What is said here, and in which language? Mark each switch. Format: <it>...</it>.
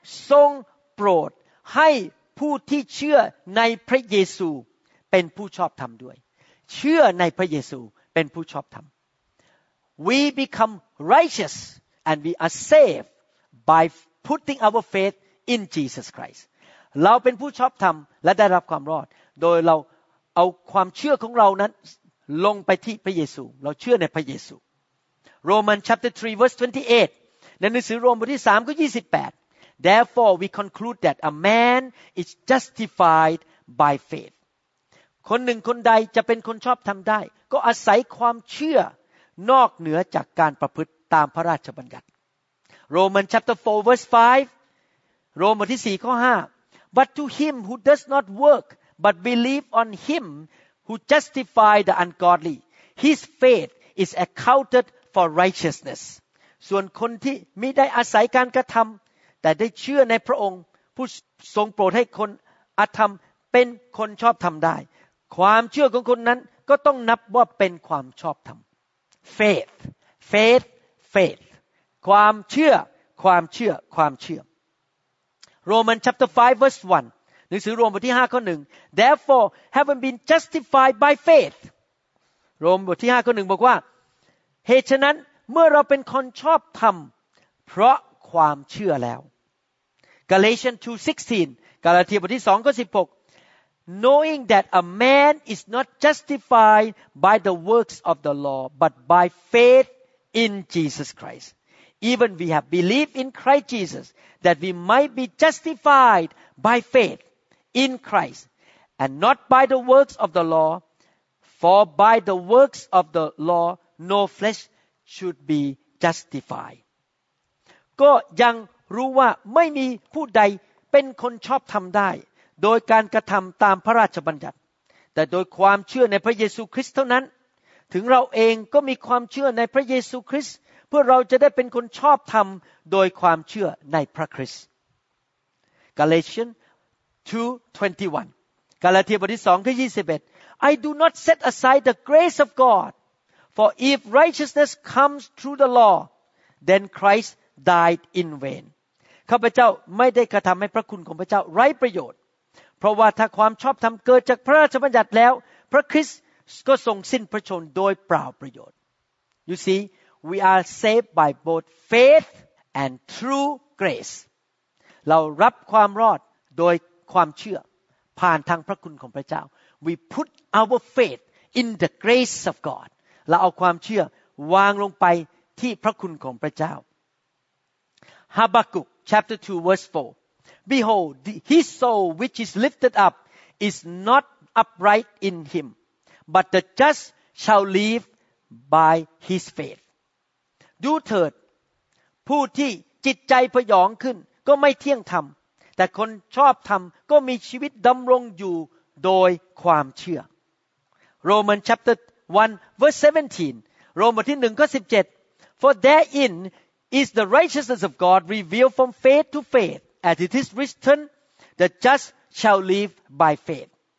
<th>ทรงโปรดให้ผู้ที่เชื่อในพระเยซูเป็นผู้ชอบธรรมด้วยเชื่อในพระเยซูเป็นผู้ชอบธรรม</th> <en>We become righteous and we are saved by putting our faith in Jesus Christ.</en> <th>เราเป็นผู้ชอบธรรมและได้รับความรอดโดยเราเอาความเชื่อของเรานั้นลงไปที่พระเยซูเราเชื่อในพระเยซู</th> <en>Romans chapter 3 verse 28</en> <th>ในหนังสือโรมบทที่3ข้อ28</th> <en>Therefore, we conclude that a man is justified by faith.</en> <th>คนหนึ่งคนใดจะเป็นคนชอบธรรมได้ก็อาศัยความเชื่อนอกเหนือจากการประพฤติตามพระราชบัญญัติ</th> <en>Romans chapter 4 verse 5 Romans</en> <th>ที่4ข้อ5</th> <en>But to him who does not work but believe on him who justified the ungodly, his faith is accounted for righteousness.</en> <th>ส่วนคนที่มิได้อาศัยการกระทําแต่ได้เชื่อในพระองค์ผู้ทรงโปรดให้คนอธรรมเป็นคนชอบธรรมได้ความเชื่อของคนนั้นก็ต้องนับว่าเป็นความชอบธรรม</th> <en>faith faith faith</en> <th>ความเชื่อความเชื่อความเชื่อ</th> <en>Romans chapter 5 verse 1</en> <th>หนังสือโรมบทที่5ข้อ1</th> <en>therefore having been justified by faith</en> <th>โรมบทที่5ข้อ1บอกว่า เหตุฉะนั้นเมื่อเราเป็นคนชอบธรรมเพราะความเชื่อแล้ว Galatians 2:16 กาลาเทียบทที่2ข้อ16</th> <en>knowing that a man is not justified by the works of the law but by faith in Jesus Christ even we have believed in Christ Jesus that we might be justified by faith in Christ and not by the works of the law for by the works of the law no fleshshould be justified</en> <th>ก็ยังรู้ว่าไม่มีผู้ใดเป็นคนชอบธรรมได้โดยการกระทำตามพระราชบัญญัติแต่โดยความเชื่อในพระเยซูคริสต์เท่านั้นถึงเราเองก็มีความเชื่อในพระเยซูคริสต์เพื่อเราจะได้เป็นคนชอบธรรมโดยความเชื่อในพระคริสต์</th> <en>Galatians 2:21</en> <th>กาลาเทียบทที่2ข้อ21</th> <en>I do not set aside the grace of GodFor if righteousness comes through the law, then Christ died in vain.</en> <th>ข้าพเจ้าไม่ได้กระทำให้พระคุณของพระเจ้าไร้ประโยชน์เพราะว่าถ้าความชอบธรรมเกิดจากพระราชบัญญัติแล้วพระคริสต์ก็ทรงสิ้นพระชนโดยเปล่าประโยชน์</th> <en>You see, we are saved by both faith and through grace.</en> <th>เรารับความรอดโดยความเชื่อผ่านทางพระคุณของพระเจ้า</th> <en>We put our faith in the grace of God.</en> <th>เราเอาความเชื่อวางลงไปที่พระคุณของพระเจ้า</th> <en>Habakkuk chapter 2 verse 4 Behold his soul which is lifted up is not upright in him but the just shall live by his faith</en> <th>ดูเถิดผู้ที่จิตใจผยองขึ้นก็ไม่เที่ยงธรรมแต่คนชอบธรรมก็มีชีวิตดำรงอยู่โดยความเชื่อ</th> <en>Romans chapter 1 verse 17 Romans 1:17 For therein is the righteousness of God revealed from faith to faith as it is written the just shall live by faith</en>